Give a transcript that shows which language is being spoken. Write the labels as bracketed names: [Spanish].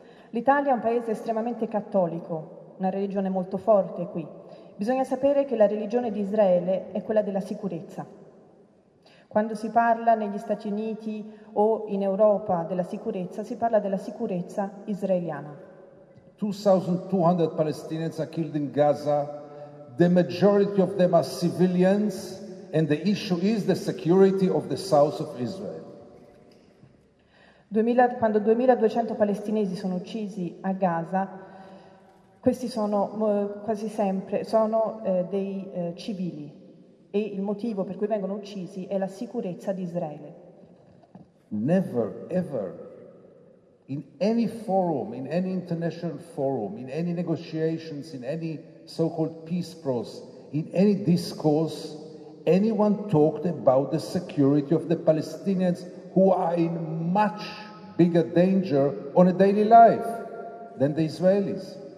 [Italian] L'Italia è un paese estremamente cattolico, una religione molto forte qui. Bisogna sapere che la religione di Israele è quella della sicurezza. Quando si parla negli Stati Uniti o in Europa della sicurezza, si parla della sicurezza israeliana. [English] 2,200 Palestinians are killed in Gaza The majority of them are civilians, and the issue is the security of the south of Israel. [Italian] Quando 2200 palestinesi sono uccisi a Gaza, questi sono quasi sempre sono dei civili, e il motivo per cui vengono uccisi è la sicurezza di Israele. [English] Never ever in any forum, in any international forum, in any negotiations, in any so-called peace process, in any discourse, anyone talked about the security of the Palestinians, who are in much bigger danger on a daily life than the Israelis.